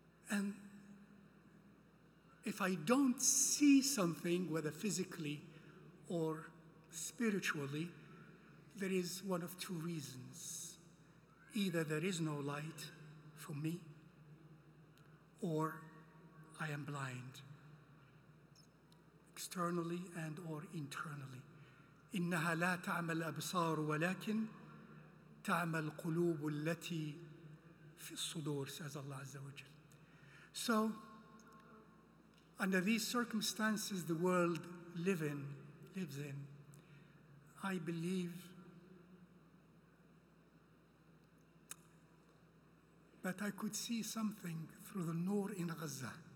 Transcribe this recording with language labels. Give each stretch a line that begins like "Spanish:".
English: And if I don't see something, whether physically or spiritually, there is one of two reasons. Either there is no light for me, or I am blind, externally and or internally.
Arabic: إِنَّهَا لَا تَعْمَى الْأَبْصَارُ وَلَكِنْ تَعْمَى الْقُلُوبُ الَّتِي فِي الصُّدُورِ,
English: says Allah Azza wa Jal. So, under these circumstances the world lives in, I believe that I could see something through the nur in Gaza.